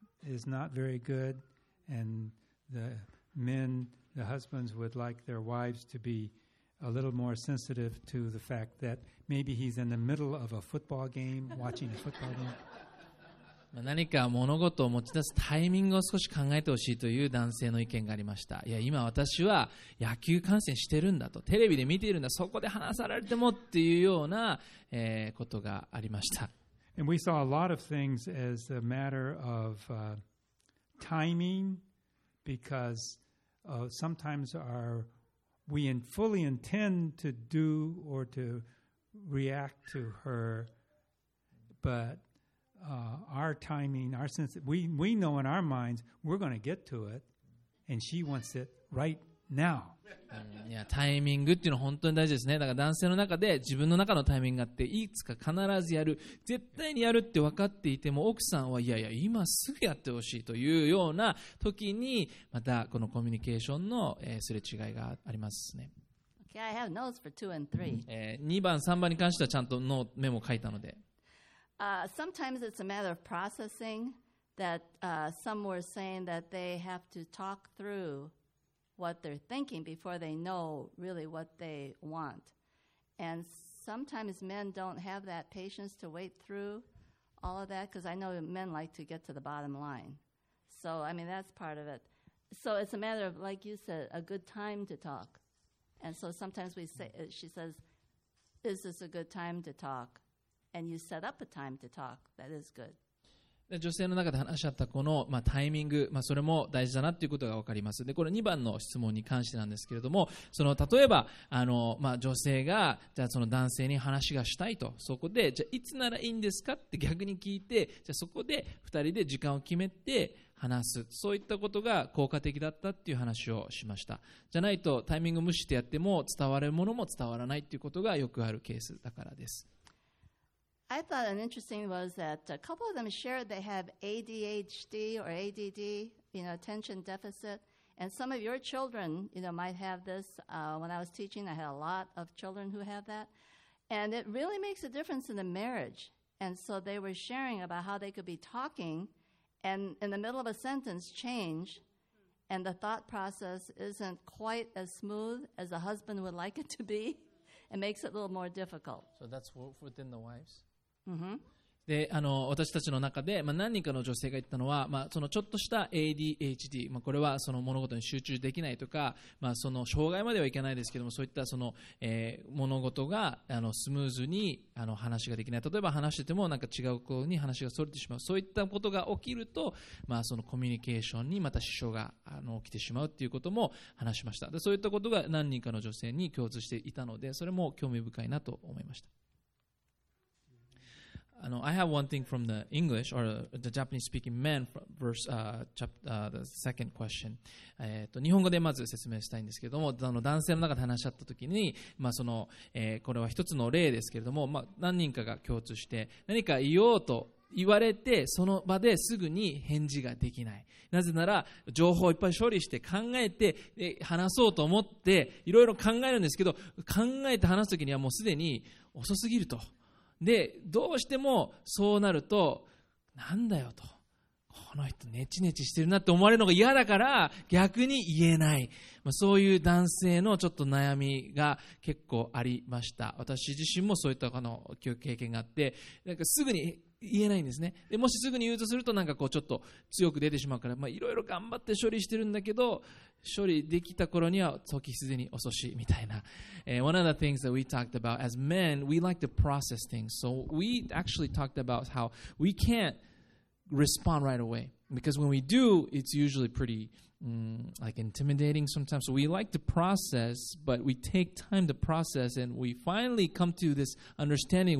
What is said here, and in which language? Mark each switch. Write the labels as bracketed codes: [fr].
[en] is not very good and the men the husbands would like their wives to be a little more sensitive to the fact that maybe he's in the middle of a football game watching a football game [ja] 何か物事を持ち出すタイミングを少し考えてほしいという男性の意見がありました。いや今私は野球観戦してるんだとテレビで見ているんだそこで話されてもっていうような、ことがありました。 [en] And we saw a lot of things as a matter of timing, because sometimes we fully intend to do or to react to her, but our timing, our sense, we know in our minds we're going to get to it, and she wants it right now. Now. [ja] いやタイミングっていうのは本当に大事ですね。だから男性の中で自分の中のタイミングがあっていつか必ずやる絶対にやるって分かっていても奥さんはいやいや今すぐやってほしいというような時にまたこのコミュニケーションの、すれ違いがありますね。 [en] Okay, I have notes for 2 and 3. [ja] 2番3番に関してはちゃんとノートメモ書いたので、 [en] Sometimes it's a matter of processing that some were saying that they have to talk throughwhat they're thinking before they know really what they want. And sometimes men don't have that patience to wait through all of that, because I know men like to get to the bottom line. So, I mean, that's part of it. So it's a matter of, like you said, a good time to talk. And so sometimes we say, she says, is this a good time to talk? And you set up a time to talk that is good. [ja] 女性の中で話し合ったこの、まあ、タイミング、まあ、それも大事だなということが分かります。で、これ2番の質問に関してなんですけれども、その例えば、まあ、女性がじゃあその男性に話がしたいと、そこでじゃあいつならいいんですかって逆に聞いて、じゃあそこで2人で時間を決めて話す、そういったことが効果的だったっていう話をしました。じゃないとタイミング無視してやっても伝わるものも伝わらないということがよくあるケースだからです。 [en] I thought an interesting was that a couple of them shared they have ADHD or ADD, you know, attention deficit. And some of your children, you know, might have this. When I was teaching, I had a lot of children who have that. And it really makes a difference in the marriage. And so they were sharing about how they could be talking and in the middle of a sentence change. And the thought process isn't quite as smooth as a husband would like it to be. It makes it a little more difficult. So that's within the wives? Mm-hmm. [ja] で、私たちの中で、まあ、何人かの女性が言ったのは、まあ、そのちょっとした ADHD、まあ、これはその物事に集中できないとか、まあ、その障害まではいけないですけども、そういったその、物事がスムーズに話ができない、例えば話しててもなんか違う子に話がそれてしまう、そういったことが起きると、まあ、そのコミュニケーションにまた支障が起きてしまうということも話しました。で、そういったことが何人かの女性に共通していたので、それも興味深いなと思いました。 [en] I have one thing from the English or the Japanese speaking men verse, the second question. [ja] 日本語でまず説明したいんですけれども、男性の中で話し合った時に、まあその、これは一つの例ですけれども、まあ、何人かが共通して何か言おうと言われて、その場ですぐに返事ができない。なぜなら情報をいっぱい処理して考えて、で話そうと思っていろいろ考えるんですけど、考えて話す時にはもうすでに遅すぎると。でどうしてもそうなると、なんだよと、この人ネチネチしてるなって思われるのが嫌だから逆に言えない、まあ、そういう男性のちょっと悩みが結構ありました。私自身もそういったの経験があって、なんかすぐに言えないんですね。でもしすぐに言うとするとなんかこうちょっと強く出てしまうから、いろいろ頑張って処理してるんだけど、処理できた頃には時すでに遅しみたいな。 [en] One of the things that we talked about as men, we like to process things. So we actually talked about how we can't respond right away. Because when we do, it's usually pretty like intimidating sometimes. So we like to process, but we take time to process and we finally come to this understanding.